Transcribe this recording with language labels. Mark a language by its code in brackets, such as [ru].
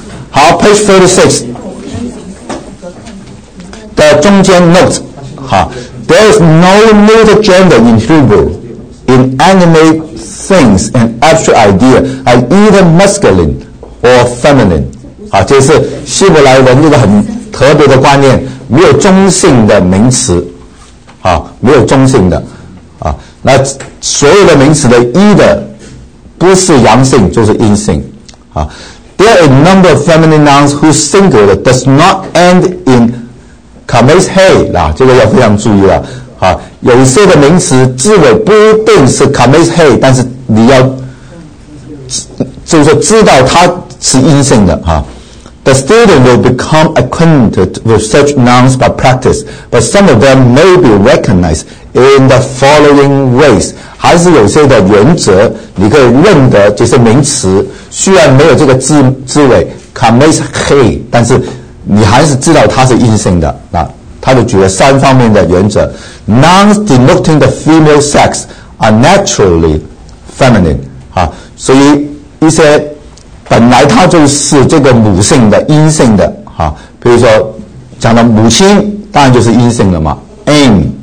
[en] 好 ，page 36的中间 note， 哈 ，there is no middle gender in Hebrew in animate things and abstract idea are either masculine or feminine。 [zh] 啊，这是希伯来文一个很特别的观念，没有中性的名词，啊，没有中性的。 [en] 啊， [zh] 那所有的名词的 [en] either 不是阳性就是阴性，啊 ，there are a number of feminine nouns whose singular does not end in kames he， 啊， [zh] 这个要非常注意了，啊，有些的名词字尾不一定是 kames he， 但是你要就是知道它是阴性的， [en] 啊 ，the student will become acquainted with such nouns by practice， but some of them may be recognized。 In the following ways， [zh] 还是有些的原则，你可以认得这些名词。虽然没有这个字尾 ，kames he， 但是你还是知道它是阴性的。那他就举了三方面的原则 ： [en] nouns denoting the female sex are naturally feminine， [zh] 啊，所以一些本来它就是这个母性的、阴性的，啊，比如说讲到母亲，当然就是阴性的嘛 ，am。